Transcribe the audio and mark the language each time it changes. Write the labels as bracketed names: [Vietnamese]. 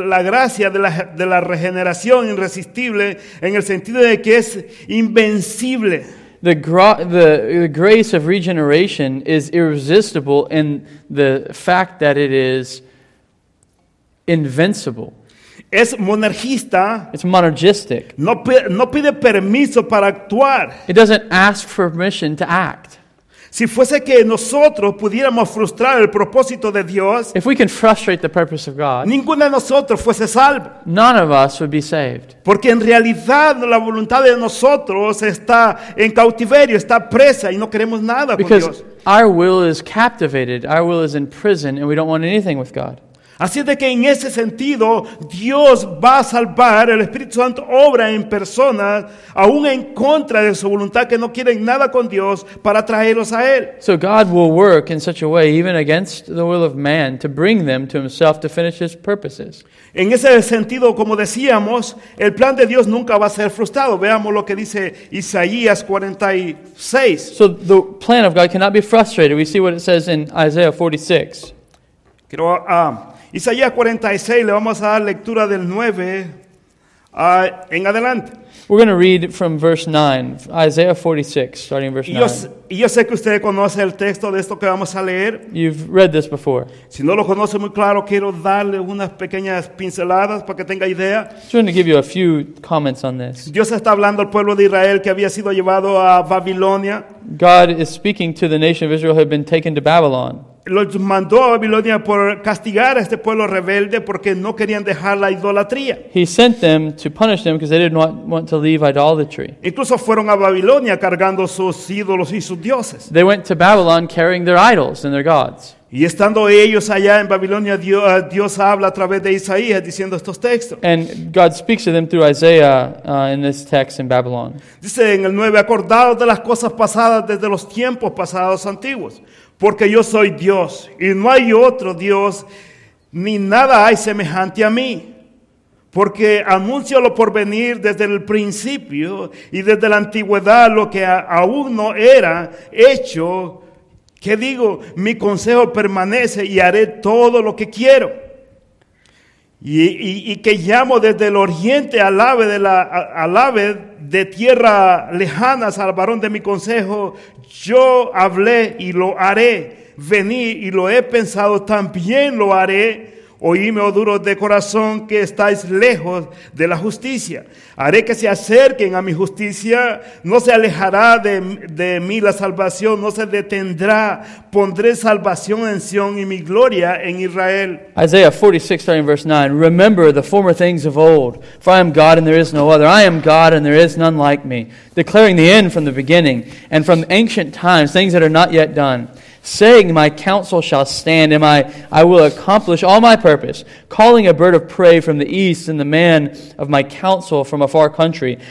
[Spanish] La gracia de la regeneración irresistible en el sentido de que es invencible. [English] The grace of regeneration is irresistible in the fact that it is invincible. [Spanish] Es monergista. [English] It's monergistic. [Spanish] No pide permiso para actuar. [English] It doesn't ask for permission to act. [Spanish] Si fuese que nosotros pudiéramos frustrar el propósito de Dios, [English] if we can frustrate the purpose of God, [Spanish] ninguno de nosotros fuese salvo. [English] None of us would be saved. [Spanish] Porque en realidad la voluntad de nosotros está en cautiverio, está presa y no queremos nada [English] because [Spanish] con Dios. [English] Because our will is captivated, our will is in prison and we don't want anything with God. [Spanish] Así de que en ese sentido, Dios va a salvar, el Espíritu Santo obra en personas, aún en contra de su voluntad, que no quieren nada con Dios, para traerlos a Él. [English] So God will work in such a way, even against the will of man, to bring them to Himself to finish His purposes. [Spanish] En ese sentido, como decíamos, el plan de Dios nunca va a ser frustrado. Veamos lo que dice Isaías 46. [English] So the plan of God cannot be frustrated. We see what it says in Isaiah 46. [Spanish] Quiero... Isaías 46, le vamos a dar lectura del 9 en adelante. [English] We're going to read from verse 9, Isaiah 46, starting verse 9. [Spanish] Yo sé que usted conoce el texto de esto que vamos a leer. [English] You've read this before. [Spanish] Si no lo conoce muy claro, quiero darle unas pequeñas pinceladas para que tenga idea. [English] I'm going to give you a few comments on this. [Spanish] Dios está hablando al pueblo de Israel que había sido llevado a Babilonia. [English] God is speaking to the nation of Israel who had been taken to Babylon. [Spanish] los mandó a Babilonia por castigar a este pueblo rebelde porque no querían dejar la idolatría. [English] He sent them to punish them because they did not want to leave idolatry. [Spanish] Incluso fueron a Babilonia cargando sus ídolos y sus dioses. [English] They went to Babylon carrying their idols and their gods. [Spanish] Y estando ellos allá en Babilonia, Dios habla a través de Isaías diciendo estos textos. [English] And God speaks to them through Isaiah in this text in Babylon. [Spanish] Dice en el 9, acordaos de las cosas pasadas desde los tiempos pasados antiguos. Porque yo soy Dios, y no hay otro Dios, ni nada hay semejante a mí. Porque anuncio lo por venir desde el principio, y desde la antigüedad lo que aún no era hecho. ¿Qué digo? Mi consejo permanece, y haré todo lo que quiero. Y que llamo desde el oriente al ave de tierra lejana al varón de mi consejo, yo hablé y lo haré, vení y lo he pensado, también lo haré. Oíme, oh duros de corazón, que estáis lejos de la justicia. Haré que se acerquen a mi justicia, no se alejará de mí la salvación, no se detendrá. Pondré salvación en Sion y mi gloria en Israel. [English] Isaiah 46, starting verse 9. Remember the former things of old. For I am God and there is no other. I am God and there is none like me. Declaring the end from the beginning and from ancient times, things that are not yet done. Saying, my counsel shall stand, and I will accomplish all my purpose. Calling a bird of prey from the east, and the man of my counsel from a far country.